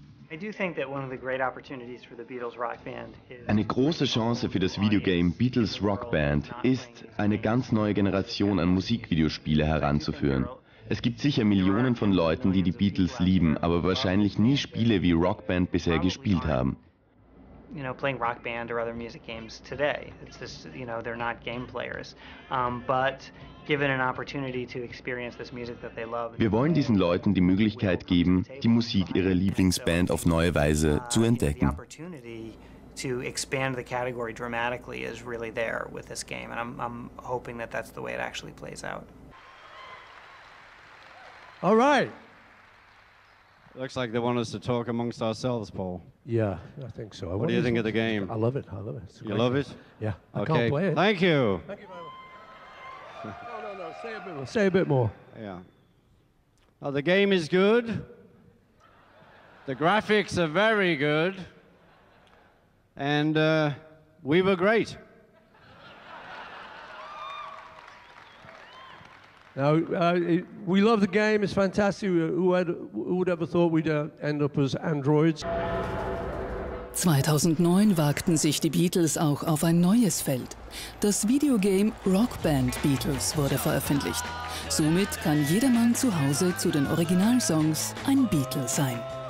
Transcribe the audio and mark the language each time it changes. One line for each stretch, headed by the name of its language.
German: Eine große Chance für das Videogame Beatles Rock Band ist, eine ganz neue Generation an Musikvideospiele heranzuführen. Es gibt sicher Millionen von Leuten, die die Beatles lieben, aber wahrscheinlich nie Spiele wie Rock Band bisher gespielt haben.
English: you know, playing Rock Band or other music games today. It's just, you know, they're not game players. But given an opportunity to experience this music that they love. Wir wollen diesen Leuten die Möglichkeit geben, die Musik ihrer Lieblingsband auf neue Weise zu entdecken. The opportunity to expand the category dramatically is really there with this game, and I'm hoping that that's the way it actually plays out. All right. Looks like they want us to talk amongst ourselves, Paul. Yeah, I think so. What do you think of the game? I love it. I love it. You love it? Yeah. Okay. I can't play it. Thank you. Thank you very much. No. Say a bit more. Say a bit more. Yeah. Now, the game is good. The graphics are very good. And we were great. Now, we love the game, it's fantastic. Who would ever thought we'd end up as androids?
German: 2009 wagten sich die Beatles auch auf ein neues Feld. Das Videogame Rock Band Beatles wurde veröffentlicht. Somit kann jedermann zu Hause zu den Originalsongs ein Beatle sein.